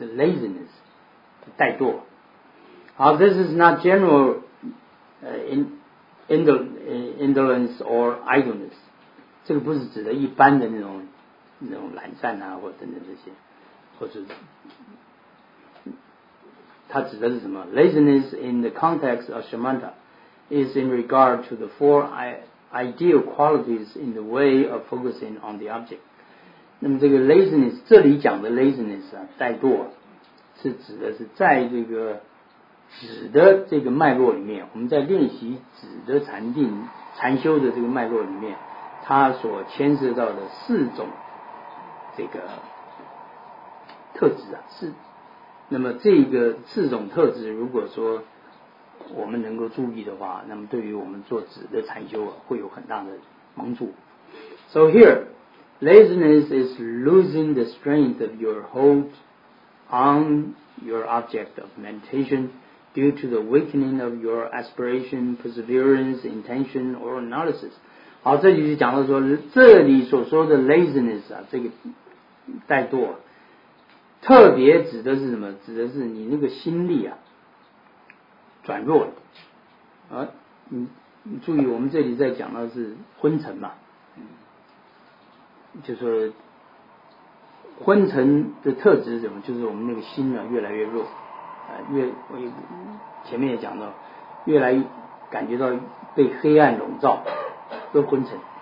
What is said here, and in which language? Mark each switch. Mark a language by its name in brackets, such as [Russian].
[Chinese] 是 laziness, 怠惰。好， this is not general indolence or idleness, 这个不是指的一般的那种懒散啊或等等这些，或者它指的是什么？ [English] Laziness in the context of shamatha is in regard to the four ideal qualities in the way of focusing on the object. [Chinese] 那么这个 laziness, 这里讲的 laziness 啊，怠惰是指的是在这个止的这个脉络里面，我们在练习止的禅定禅修的这个脉络里面，它所牵涉到的四种这个特质啊，是那么这个四种特质，如果说我们能够注意的话，那么对于我们做止的禅修啊，会有很大的帮助。 [English] So here, laziness is losing the strength of your whole on your object of meditation due to the weakening of your aspiration, perseverance, intention, or analysis. [Chinese] 好，这里就讲到说，这里所说的 laziness 啊，这个怠惰，特别指的是什么？指的是你那个心力啊，转弱了。你注意，我们这里在讲的是昏沉嘛，就是昏沉的特质是什么？就是我们那个心呢越来越弱，我前面也讲到，越来越感觉到被黑暗笼罩，都昏沉。